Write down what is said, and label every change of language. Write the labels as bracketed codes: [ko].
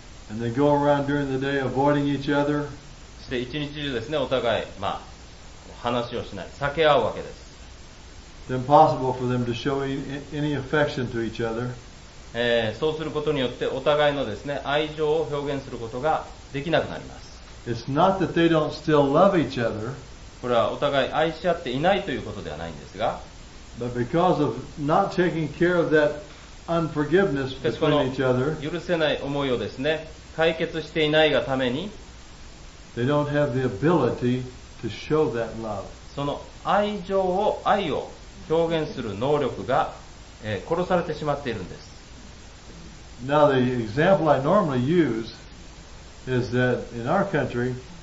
[en] And they go around during the day avoiding each other. [ja] そして一日中ですね、お互い、まあ、話をしない、避け合うわけです。 [en] It's impossible for them to show any affection to each other. [ja] そうすることによって、お互いのですね、愛情を表現することができなくなります。 [en] It's not that they don't still love each other. [ja] これはお互い愛し合っていないということではないんですが、 [en] But because of not taking care of that unforgiveness between each other, [ja] 許せない思いをですね、解決していないがために、 [en] They don't have the ability to show that love. [ja] その愛情を、愛を表現する能力が、殺されてしまっているんです。 [en] Now the example I normally use is that in our country,